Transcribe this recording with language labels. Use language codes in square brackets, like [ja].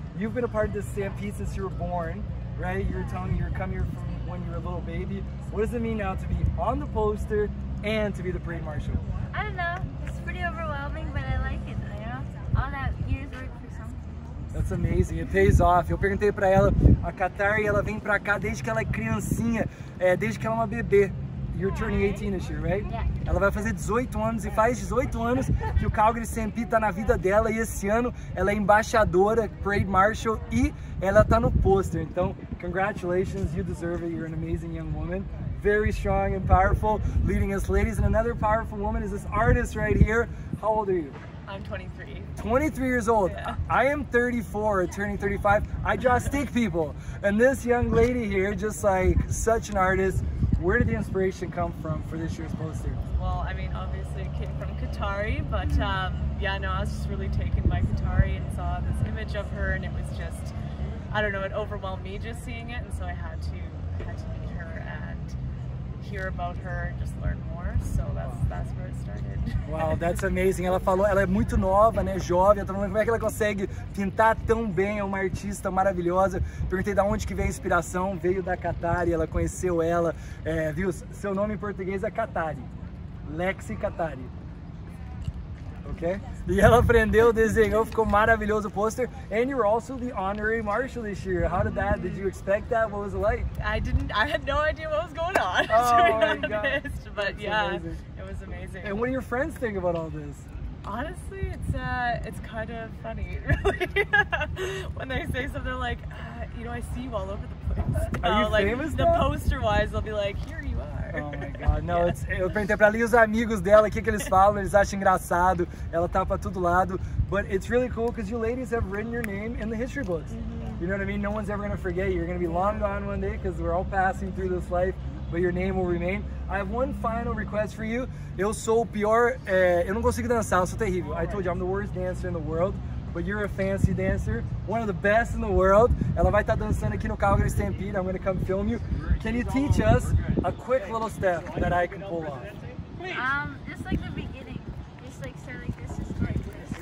[en] You've been a part of the Stampede since you were born, right? You're telling me you're coming here from when you were a little baby. What does it mean now to be on the poster and to be the parade marshal? I don't know. It's pretty overwhelming, but I like it, you know? All that years work for something. That's amazing. It pays off. [pt] Eu perguntei pra ela, a Qatari, ela vem pra cá desde que ela é criancinha, desde que ela é uma bebê. [en] You're turning 18 this year, right? Yeah. [pt] Ela vai fazer 18 anos e faz 18 anos que o Calgary Stampede tá na vida dela e esse ano ela é embaixadora, parade marshal e ela tá no poster. [en] Então, congratulations, you deserve it. You're an amazing young woman. Very strong and powerful, leading us ladies. And another powerful woman is this artist right here. How old are you? I'm 23. 23 years old. Yeah. I am 34, turning 35. I draw stick people. And this young lady here, just like such an artist, where did the inspiration come from for this year's poster? Well, I mean, obviously it came from Qatari, but yeah, no, I was just really taken by Qatari and saw this image of her, and it was just, I don't know, it overwhelmed me just seeing it, and so I had to meet her, and hear about her and just learn more. So that's where it started. Wow, that's amazing. [pt] Ela falou, ela é muito nova, né? Jovem. Como é que ela consegue pintar tão bem? É uma artista maravilhosa. Perguntei de onde que vem a inspiração. Veio da Catari, ela conheceu ela. É, viu? Seu nome em português é Catari. Lexi Catari. Ok? E ela aprendeu, desenhou, ficou maravilhoso o poster. [en] And you're also the honorary marshal this year. How did that? Did you expect that? What was it like? I had no idea what was going on. Oh, to be honest. My God. But that's yeah, amazing. It was amazing. And what do your friends think about all this? Honestly, it's kind of funny, really. When they say something like, you know, I see you all over the place. Are you like, famous? The poster wise, they'll be like, here you are. Oh my God, [pt] não, eu perguntei pra ali os amigos dela, o que eles falam, eles acham engraçado, ela tá pra todo lado. [en] But it's really cool because you ladies have written your name in the history books. Mm-hmm. You know what I mean? No one's ever gonna forget you. You're gonna be long gone one day because we're all passing through this life, but your name will remain. I have one final request for you. [pt] Eu sou o pior, eu não consigo dançar, eu sou terrível. [en] I told you, I'm the worst dancer in the world, but you're a fancy dancer, one of the best in the world. [pt] Ela vai estar dançando aqui no Calgary Stampede, [en] I'm gonna come film you. Can you teach us a quick little step that I can pull off? Just like the beginning. Just like start like this, just like this.